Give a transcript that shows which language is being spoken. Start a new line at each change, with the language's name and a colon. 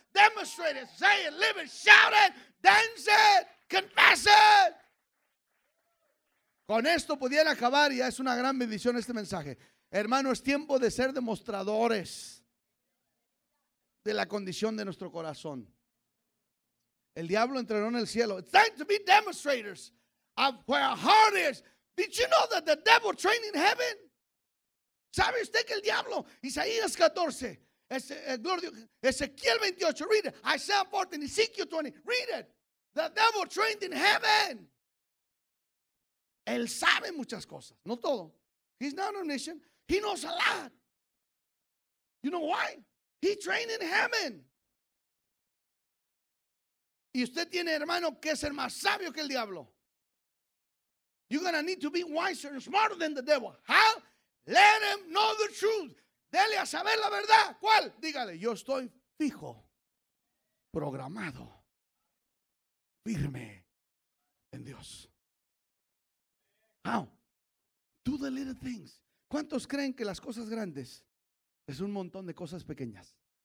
English: Demonstrate it, say it, live it, shout it, dance it, confess it.
Spanish: Con esto pudiera acabar y ya es una gran bendición este mensaje. Hermano, es tiempo de ser demostradores de la condición de nuestro corazón. El diablo entrenó en el cielo.
English: It's time to be demonstrators of where our heart is. Did you know that the devil trained in heaven?
Spanish: ¿Sabe usted que el diablo? Isaías 14, Ezequiel 28,
English: read it. Isaiah 14, Ezekiel 20, read it. The devil trained in heaven.
Spanish: Él sabe muchas cosas, no todo.
English: He's not omniscient. He knows a lot. You know why? He trained in heaven.
Spanish: Y usted tiene, hermano, que ser más sabio que el diablo.
English: You're going to need to be wiser and smarter than the devil. How? Let him know the truth.
Spanish: Dele a saber la verdad. ¿Cuál? Dígale, yo estoy fijo, programado, firme en Dios.
English: How? Do the little things.
Spanish: ¿Cuántos creen que las cosas grandes es un montón de cosas pequeñas?